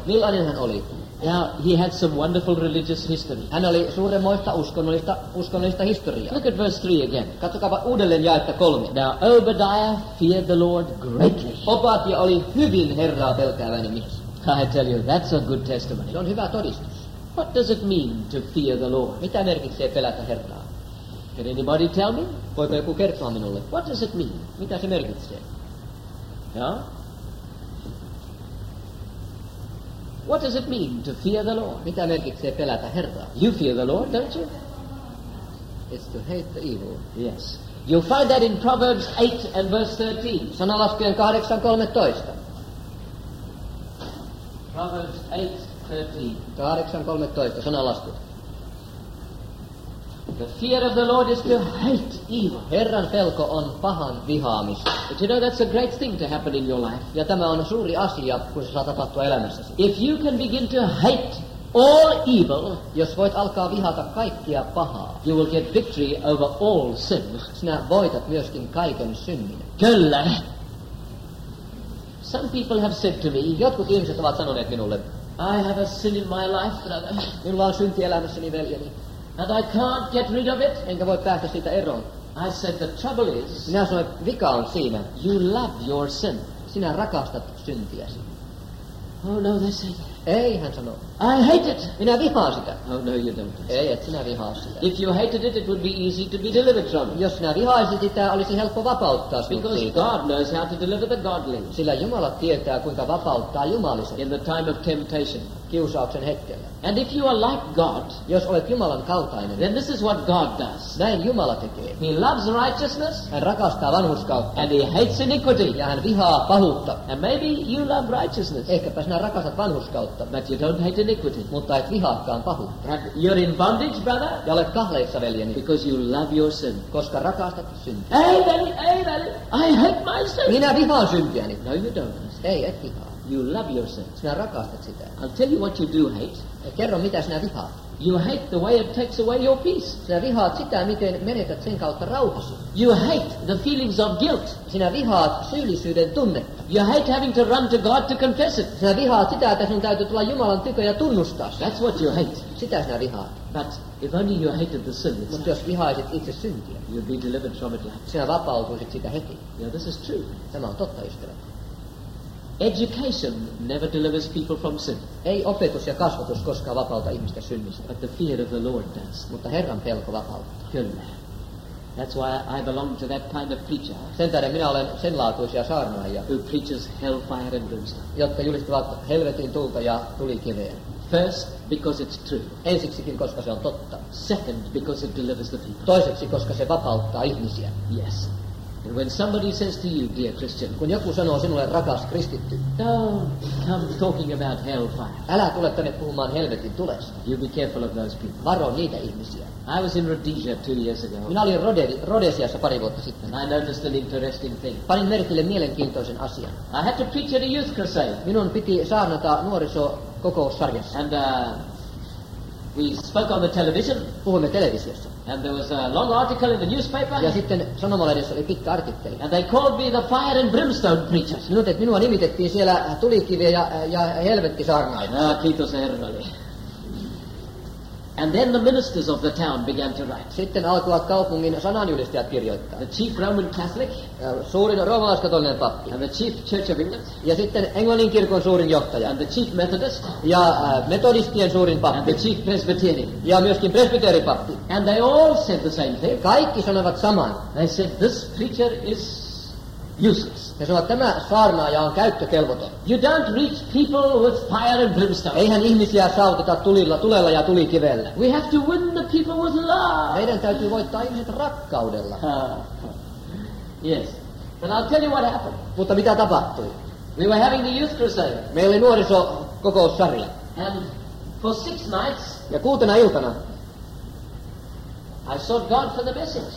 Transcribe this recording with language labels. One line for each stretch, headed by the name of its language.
Finnish: Millainen hän oli?
English: Now, he had some wonderful religious history.
Finnish: Hän oli suuremmoista uskonnollista historiaa.
English: Look at verse 3 again.
Finnish: Katsokaapa uudelleen jaetta 3.
English: Now, Obadiah feared the Lord greatly.
Finnish: Obadiah oli hyvin Herraa pelkääväinen mies.
English: I tell you, that's a good testimony.
Finnish: Se on hyvä todistus.
English: What does it mean to fear the Lord?
Finnish: Mitä merkitsee pelätä Herraa?
English: Can anybody tell me?
Finnish: Voiko joku kertoa minulle?
English: What does it mean?
Finnish: Mitä se merkitsee?
English: Yeah? What does it mean to fear the Lord?
Finnish: Mitä merkitsee pelätä Herraa?
English: You fear the Lord, don't you? It's to hate the evil. Yes. You'll find that in Proverbs 8 and verse 13.
Finnish: Sanalaskujen 8:13.
English: Proverbs 8:13.
Finnish: 8:13. Sanalasku.
English: The fear of the Lord is to hate evil.
Finnish: Herran pelko on pahan vihaamista.
English: But you know that's a great thing to happen in your life.
Finnish: Ja tämä on suuri asia, kun se saa tapahtua elämässäsi.
English: If you can begin to hate all evil,
Finnish: jos voit alkaa vihata kaikkia pahaa,
English: you will get victory over all sin.
Finnish: Sinä voitat myöskin kaiken synnin. Kyllä.
English: Some people have said to me,
Finnish: jotkut ihmiset ovat sanoneet minulle,
English: I have a sin in my life, brother.
Finnish: Minulla on synti elämässäni, veljeni.
English: And I can't get rid of it.
Finnish: Enkä voi päästä siitä eroon.
English: I said the trouble is.
Finnish: Minä sanoin, vika on siinä.
English: You love your sin.
Finnish: Sinä rakastat syntiäsi.
English: Oh no, they say.
Finnish: Ei, hän sanoo.
English: I hate it.
Finnish: Minä vihaan sitä.
English: Oh, no, you don't.
Finnish: Ei, et sinä vihaa sitä.
English: If you hated it, it would be easy to be delivered from.
Finnish: Jos sinä vihaisit sitä, olisi helppo vapauttaa sinut.
English: Because
Finnish: siitä.
English: God knows how to deliver the godly.
Finnish: Sillä Jumala tietää, kuinka vapauttaa jumalisen.
English: In the time of temptation.
Finnish: Kiusauksen hetkellä.
English: And if you are like God,
Finnish: jos olet Jumalan kaltainen,
English: then this is what God does.
Finnish: Näin Jumala tekee.
English: He loves righteousness.
Finnish: Hän rakastaa vanhurskautta.
English: And he hates iniquity.
Finnish: Ja hän vihaa pahuutta.
English: And maybe you love righteousness.
Finnish: Ehkäpä sinä rakastat vanhurskautta.
English: But you don't hate iniquity.
Finnish: Mutta et vihaakaan pahuutta.
English: And you're in bondage, brother.
Finnish: Ja olet kahleissa, veljeni.
English: Because you love your sin.
Finnish: Koska rakastat syntiä. Ei, veli, ei, veli.
English: I hate my sin.
Finnish: Minä vihaan syntiäni.
English: No, you don't.
Finnish: Ei, et vihaa.
English: You love yourself.
Finnish: Sinä rakastat sitä.
English: I'll tell you what you do hate.
Finnish: Kerro, mitä sinä vihaat.
English: You hate the way it takes away your peace.
Finnish: Sinä vihaat sitä, miten menetät sen kautta rauhasi.
English: You hate the feelings of guilt.
Finnish: Sinä vihaat syyllisyyden tunnetta.
English: You hate having to run to God to confess it.
Finnish: Sinä vihaat sitä, että sinun täytyy tulla Jumalan tykö ja tunnustaa.
English: That's what you hate.
Finnish: Sitä sinä vihaat.
English: But if only you hated the sin itself.
Finnish: Mutta jos vihaisit itse syntiä.
English: You'd be delivered from it like.
Finnish: Sinä vapautuisit sitä heti.
English: Yeah, this is true.
Finnish: Tämä on totta, ystävä.
English: Education never delivers people from sin.
Finnish: Ei opetus ja kasvatus koskaan vapauta ihmistä synnistä.
English: But the fear of the Lord does.
Finnish: Mutta Herran pelko vapauttaa. Kyllä.
English: That's why I belong to that kind of preacher.
Finnish: Sen tähden minä olen senlaatuisia saarnaajia.
English: Who preaches hellfire and brimstone.
Finnish: Jotka julistavat helvetin tulta ja tulikiveä.
English: First, because it's true.
Finnish: Ensiksikin, koska se on totta.
English: Second, because it delivers the people.
Finnish: Toiseksi, koska se vapauttaa ihmisiä.
English: Yes. And when somebody says to you, dear Christian,
Finnish: kun joku sanoo sinulle, rakas kristitty,
English: don't come talking about hellfire.
Finnish: Älä tule tänne puhumaan helvetin tulesta.
English: You be careful of those people.
Finnish: Varo niitä ihmisiä.
English: I was in Rhodesia 2 years ago.
Finnish: Minä olin Rhodesiassa pari vuotta sitten.
English: And I noticed an interesting thing.
Finnish: Panin merkille mielenkiintoisen asian.
English: I had to preach at a youth crusade.
Finnish: Minun piti saarnata nuorisokokoussarjassa.
English: And we spoke on the television.
Finnish: Puhumme televisiossa.
English: And there was a long article in the newspaper.
Finnish: Ja sitten sanomalehdessä oli pitkä artikkeli.
English: And they called me the fire and brimstone preacher.
Finnish: Minut, että minua nimitettiin siellä tulikivi ja helvetti saarnaajaksi. No, kiitos Herralle.
English: And then the ministers of the town began to write.
Finnish: Sitten alkoivat kaupungin sananjulistajat kirjoittaa.
English: The chief Roman Catholic.
Finnish: Suurin roomalaiskatolinen pappi.
English: And the chief Church of England.
Finnish: Ja sitten Englannin kirkon suurin johtaja.
English: And the chief Methodist.
Finnish: Ja metodistien suurin pappi.
English: And the chief Presbyterian.
Finnish: Ja myöskin presbyteripappi.
English: And they all said the same thing.
Finnish: Kaikki sanoivat saman.
English: They said this preacher is useless.
Finnish: He sanoivat, tämä saarnaaja on käyttökelvoton.
English: You don't reach people with fire and brimstone.
Finnish: Eihän ihmisiä saavuteta tulella ja tulikivellä.
English: We have to win the people with love.
Finnish: Meidän täytyy voittaa ihmiset rakkaudella.
English: Yes. But I'll tell you what happened.
Finnish: Mutta mitä tapahtui?
English: We were having the youth crusade.
Finnish: Meillä oli nuorisokokoussarja.
English: And for 6 nights.
Finnish: Ja kuutena iltana.
English: I sought God for the message.